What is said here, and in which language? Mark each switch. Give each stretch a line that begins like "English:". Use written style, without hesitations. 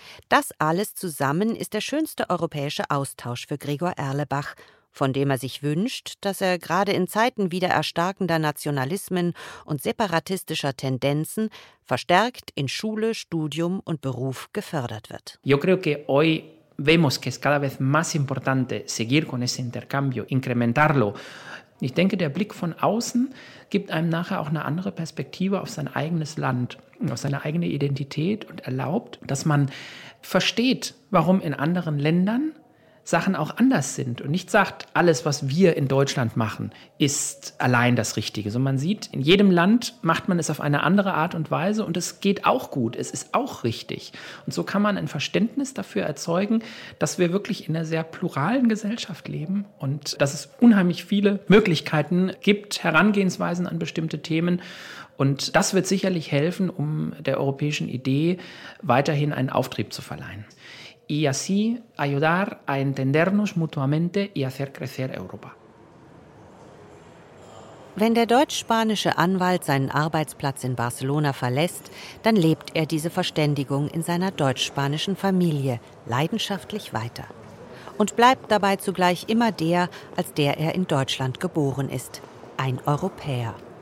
German: Das alles zusammen ist der schönste europäische Austausch für Gregor Erlebach von dem er sich wünscht, dass er gerade in Zeiten wieder erstarkender Nationalismen und separatistischer Tendenzen verstärkt in Schule, Studium und Beruf gefördert wird.
Spanish: Yo creo que hoy vemos que es cada vez más importante seguir con ese intercambio, incrementarlo.
German: Ich denke, der Blick von außen gibt einem nachher auch eine andere Perspektive auf sein eigenes Land, auf seine eigene Identität und erlaubt, dass man versteht, warum in anderen Ländern Sachen auch anders sind und nicht sagt, alles, was wir in Deutschland machen, ist allein das Richtige. So, man sieht, in jedem Land macht man es auf eine andere Art und Weise und es geht auch gut, es ist auch richtig. Und so kann man ein Verständnis dafür erzeugen, dass wir wirklich in einer sehr pluralen Gesellschaft leben und dass es unheimlich viele Möglichkeiten gibt, Herangehensweisen an bestimmte Themen. Und das wird sicherlich helfen, um der europäischen Idee weiterhin einen Auftrieb zu verleihen.
Spanish: Y así ayudar a entendernos mutuamente y hacer crecer Europa.
German: Wenn der deutsch-spanische Anwalt seinen Arbeitsplatz in Barcelona verlässt, dann lebt er diese Verständigung in seiner deutsch-spanischen Familie leidenschaftlich weiter. Und bleibt dabei zugleich immer der, als der er in Deutschland geboren ist, ein Europäer.